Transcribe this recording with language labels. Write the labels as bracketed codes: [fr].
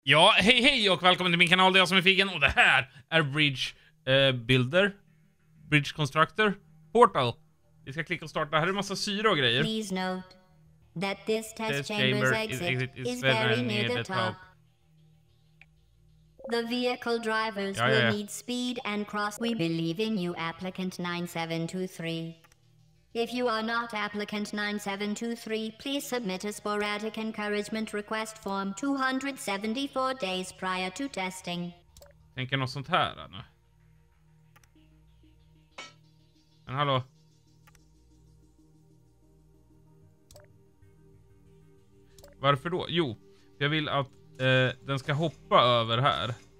[sv] Ja, hej hej och välkommen till min kanal, det är jag som är Figen. Och det här är Bridge Builder, Bridge Constructor, Portal. Vi ska klicka och starta, här är en massa syra och grejer. [en] Please note that this test chamber's exit is very near the top. The vehicle drivers will need speed and cross. We believe in you, applicant 9723. If you are not applicant 9723, please submit a sporadic encouragement request form 274 days prior to testing. [sv] Tänker något sånt här nu. Men hallå. Varför då? Jo, jag vill att den ska hoppa över här.